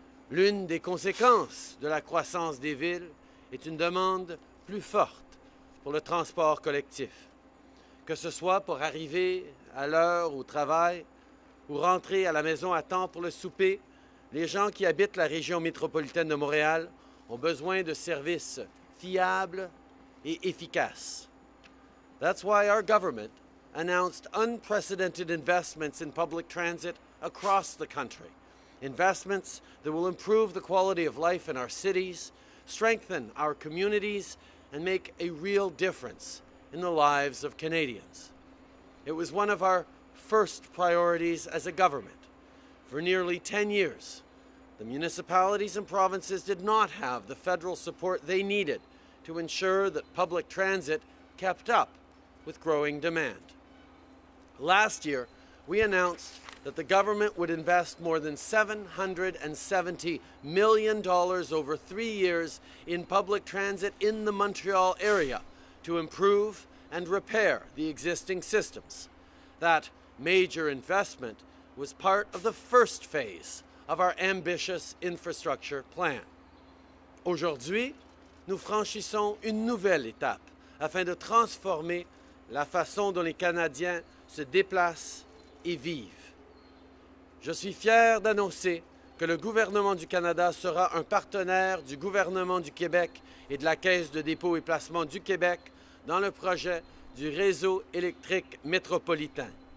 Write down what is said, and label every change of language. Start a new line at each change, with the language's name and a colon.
French: L'une des conséquences de la croissance des villes est une demande plus forte pour le transport collectif, que ce soit pour arriver à l'heure au travail ou rentrer à la maison à temps pour le souper. Les gens qui habitent la région métropolitaine de Montréal ont besoin de services fiables et efficaces.
English: That's why our government announced unprecedented investments in public transit across the country. Investments that will improve the quality of life in our cities, strengthen our communities, and make a real difference in the lives of Canadians. It was one of our first priorities as a government. For nearly 10 years, the municipalities and provinces did not have the federal support they needed to ensure that public transit kept up with growing demand. Last year, we announced that the government would invest more than $770 million over 3 years in public transit in the Montreal area to improve and repair the existing systems. That major investment was part of the first phase of our ambitious infrastructure plan.
French: Aujourd'hui, nous franchissons une nouvelle étape afin de transformer la façon dont les Canadiens se déplacent et vivent. Je suis fier d'annoncer que le gouvernement du Canada sera un partenaire du gouvernement du Québec et de la Caisse de dépôt et placement du Québec dans le projet du réseau électrique métropolitain.